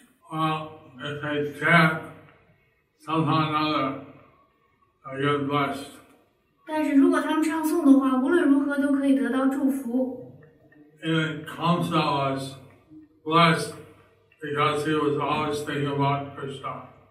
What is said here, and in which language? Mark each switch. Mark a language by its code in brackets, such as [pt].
[en] Well, if they chant, somehow or another, they get blessed. [zh] 但是如果他们唱诵的话，无论如何都可以得到祝福。 [en] And Kamsa was blessed because he was always thinking about Krishna.